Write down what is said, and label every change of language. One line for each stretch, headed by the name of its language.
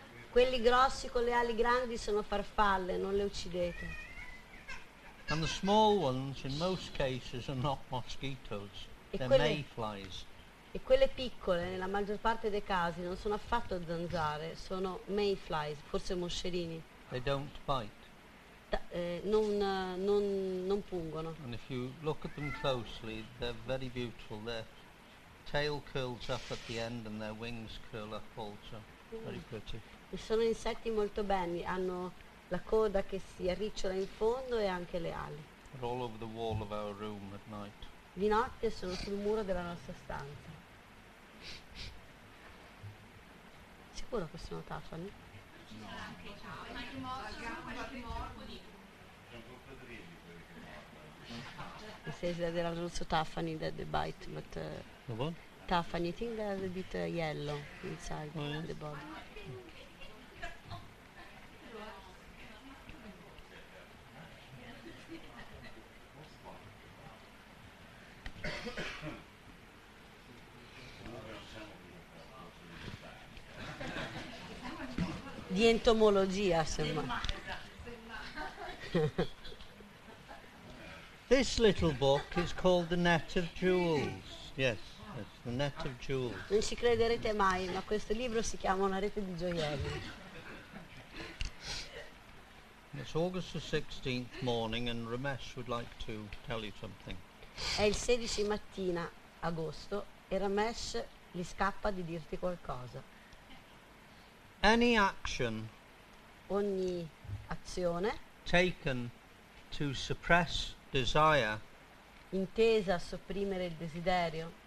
Italian: Quelli grossi con le ali grandi sono farfalle, non le uccidete.
English: And the small ones in most cases are not mosquitoes, they're mayflies.
Italian: E quelle piccole nella maggior parte dei casi non sono affatto zanzare, sono mayflies, forse moscerini.
English: They don't bite.
Italian: Non pungono.
English: And if you look at them closely, they're very beautiful. Their tail curls up at the end and their wings curl up also. Very pretty.
Italian: E sono insetti molto belli, hanno la coda che si arricciola in fondo e anche le ali.
English: All over the wall of our room at night.
Italian: Di notte sono sul muro della nostra stanza. Sicuro che sono tafani? No.
English: It says that there are also tafani that they bite, but tafani, I think they are a bit yellow inside the body.
Italian: Di entomologia, semmai.
English: This little book is called The Net of Jewels. Yes, it's The Net of Jewels.
Italian: Non ci crederete mai, ma questo libro si chiama Una rete di gioielli.
English: It's August the 16th morning and Ramesh would like to tell you something.
Italian: È il 16 mattina, agosto, e Ramesh gli scappa di dirti qualcosa.
English: Any action,
Italian: ogni azione,
English: taken to suppress desire,
Italian: intesa a sopprimere il desiderio,